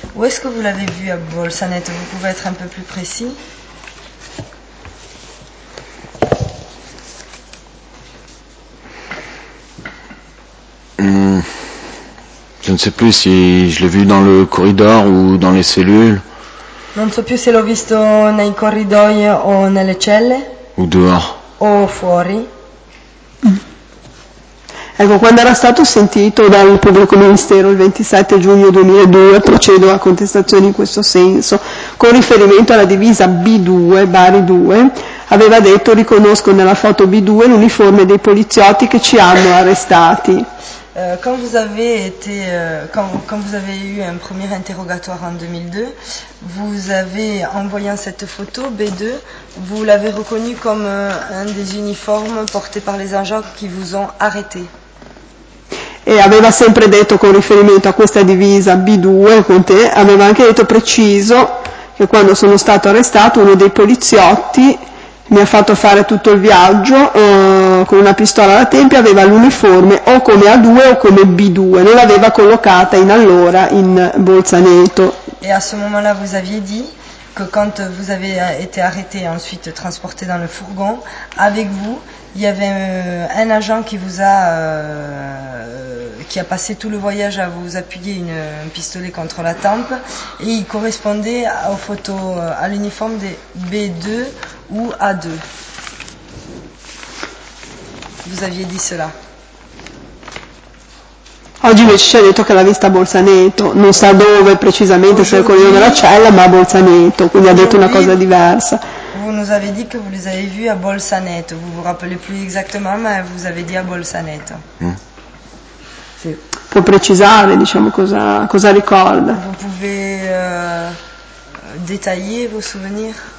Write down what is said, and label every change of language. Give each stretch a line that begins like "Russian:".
French: Où est-ce que vous l'avez vu à Bolzaneto? Vous pouvez être un peu plus précis? Je ne sais plus si je l'ai vu dans le corridor ou dans les cellules.
Italian: Non so più se l'ho visto nei corridoi o nelle celle.
French: Ou dehors.
Italian: O fuori. Ecco, quando era stato sentito dal pubblico ministero il 27 giugno 2002, procedo a contestazioni in questo senso, con riferimento alla divisa B2, Bari 2, aveva detto: riconosco nella foto B2 l'uniforme dei poliziotti che ci hanno arrestati.
French: Quand vous avez été, quand vous avez eu un premier interrogatoire en 2002, vous avez, en voyant cette photo, B2, vous l'avez reconnu comme un des uniformes portés par les agents qui vous ont arrêté.
Italian: Et aveva sempre detto, con riferimento a questa divisa B2, con te, aveva anche detto preciso che quando sono stato arrestato, uno dei poliziotti mi ha fatto fare tutto il viaggio con una pistola alla tempia, aveva l'uniforme o come A2 o come B2, non l'aveva collocata in allora in Bolzaneto.
French: E a ce moment-là vous aviez dit que quand vous avez été arrêté et ensuite transporté dans le fourgon, avec vous, il y avait un agent qui a passé tout le voyage à vous appuyer un pistolet contre la tempe et il correspondait aux photos, à l'uniforme des B2 ou A2. Vous aviez dit cela.
Italian: Oggi invece ci ha detto che l'ha vista a Bolzaneto, non sa dove precisamente, se è il corridoio della cella, ma a Bolzaneto, quindi ha detto una cosa diversa.
French: Vous nous avez dit que vous les avez vus à Bolzaneto, vous vous rappelez plus exactement, mais vous avez dit à Bolzaneto.
Italian: Può precisare, diciamo, cosa ricorda.
French: Vous pouvez détailler vos souvenirs.